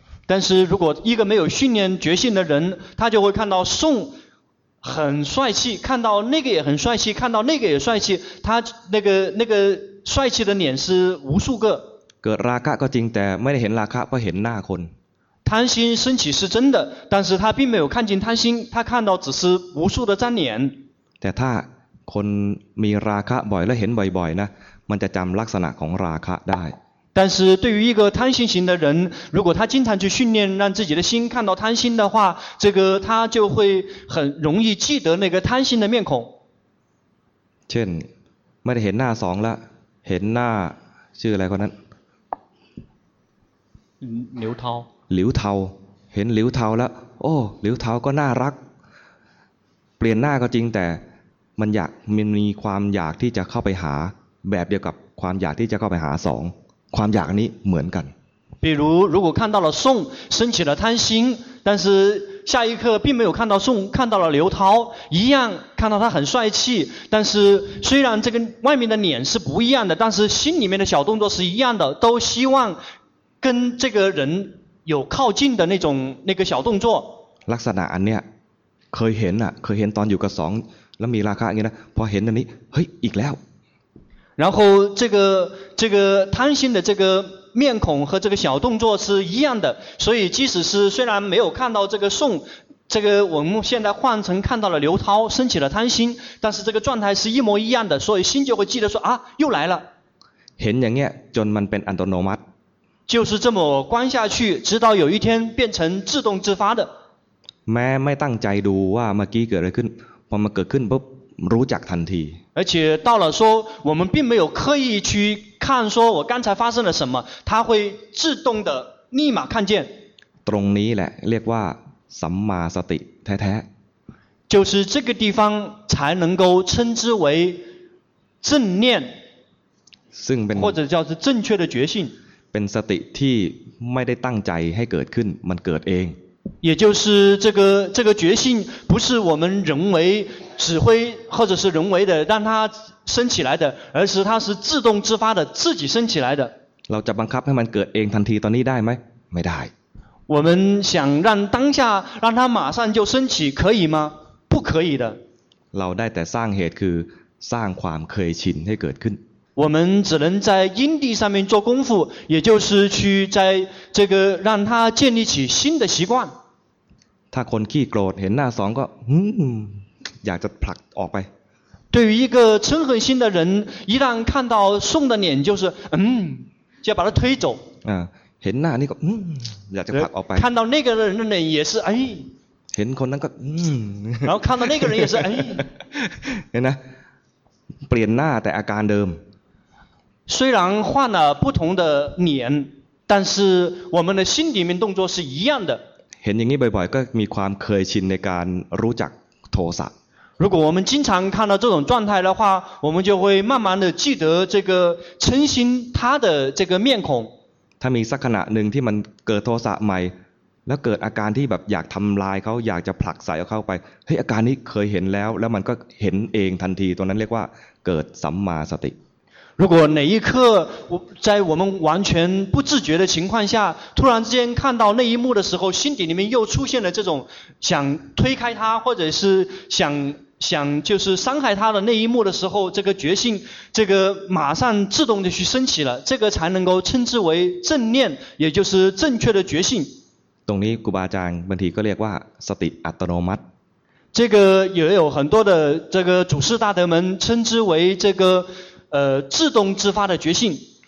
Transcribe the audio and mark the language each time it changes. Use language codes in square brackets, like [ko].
[zh] 但是如果一个没有训练觉性的人他就会看到宋很帅气，看到那个也很帅气，看到那个也帅气，他那个帅气的脸是无数个。 [th] เกิดราคะก็จริงแต่ไม่ได้เห็นราคะเพราะเห็นหน้าคน [zh] 贪心升起是真的，但是他并没有看见贪心，他看到只是无数的张脸。 [th] แต่ถ้าคนมีราคะบ่อยและเห็นบ่อยๆนะมันจะจำลักษณะของราคะได้ [zh] 但是对于一个贪心型的人，如果他经常去训练让自己的心看到贪心的话，这个他就会很容易记得那个贪心的面孔。 [th] เช่นไม่ได้เห็นหน้าสองละเห็นหน้าชื่ออะไรคนนั้น [zh] 刘涛 [th] 刘涛เห็น刘涛ละโอ้刘涛ก็น่ารักเปลี่ยนหน้าก็จริงแต่มันอยากมันมีความอยากที่จะเข้าไปหาแบบเดียวกับความอยากที่จะเข้าไปหาสองความอยากนี้เหมือนกัน [zh] 比如如果看到了宋升起了贪心但是下一刻并没有看到宋看到了刘涛一样看到他很帅气但是虽然这个外面的脸是不一样的但是心里面的小动作是一样的都希望跟这个人有靠近的那种那个小动作 [th] ลักษณะอันเนี้ยเคยเห็นอ่ะเคยเห็นตอนอยู่กับสองแล้วมีราคาอย่างนี้นะพอเห็นอันนี้เฮ้ยอีกแล้ว [zh] 然后这个贪心的这个面孔和这个小动作是一样的所以即使是虽然没有看到这个宋这个我们现在换成看到了刘涛升起了贪心但是这个状态是一模一样的所以心就会记得说啊又来了 [th] เห็นอย่างเงี้ยจนมันเป็นอัตโนมัติ [zh] 就是这么观下去直到有一天变成自动自发的 [th] แม้ไม่ตั้งใจดูว่าเมื่อกี้เกิดอะไรขึ้นพอมันเกิดขึ้นปุ๊บรู้จักทันที [zh] 而且到了说我们并没有刻意去看说我刚才发生了什么他会自动的立马看见 [th] ตรงนี้แหละเรียกว่าสัมมาสติแท้ [zh] ๆ就是这个地方才能够称之为正念 [th] ซึ่งเป็น [zh] 或者叫做正确的觉性 [th] เป็นสติที่ไม่ได้ตั้งใจให้เกิดขึ้นมันเกิดเอง [zh] 也就是这个觉性不是我们人为指挥或者是人为的让它升起来的而是它是自动自发的自己升起来的 [th] เราจะบังคับให้มันเกิดเองทันทีตอนนี้ได้ไหมไม่ได้ [zh] 我们想让当下让它马上就升起可以吗不可以的 [th] เราได้แต่สร้างเหตุคือสร้างความเคยชินให้เกิดขึ้น [zh] 我们只能在因地上面做功夫也就是去在这个让它建立起新的习惯 [th] ถ้าคนขี้โกรธเห็นหน้าสองก็อยากจะผลักออกไป [zh] 对于一个嗔恨心的人一旦看到宋的脸就是就要把他推走 [th] เห็นหน้านี่ก็อยากจะผลักออกไป [zh] 看到那个人的脸也是哎 [th] เห็นคนนั้นก็ [zh] 然后看到那个人也是哎 [th] เห็นนะเปลี่ยนหน้าแต่อาการเดิม [zh] 虽然换了不同的脸但是我们的心里面动作是一样的 [th] เห็นอย่างนี้บ่อยๆก็มีความเคยชินในการรู้จักโทสะ [zh] 如果我们经常看到这种状态的话我们就会慢慢的记得这个嗔心它的这个面孔 [th] ถ้ามีสักขณะหนึ่งที่มันเกิดโทสะใหม่แล้วเกิดอาการที่แบบอยากทำลายเขาอยากจะผลักใส่เขาไปเฮ้ยอาการนี้เคยเห็นแล้วแล้วมันก็เห็นเองทันทีตรงนั้นเรียกว่าเกิดสัมมาสติ [zh] 如果哪一刻在我们完全不自觉的情况下突然之间看到那一幕的时候心底里面又出现了这种想推开他或者是想就是伤害他的那一幕的时候这个觉性这个马上自动的去升起了这个才能够称之为正念也就是正确的觉性 [th] ตรงนี้ครูบาอาจารย์บางทีก็เรียกว่าสติอัตโนมัติ [zh] 这个也有很多的这个祖师大德们称之为这个自动自发的觉性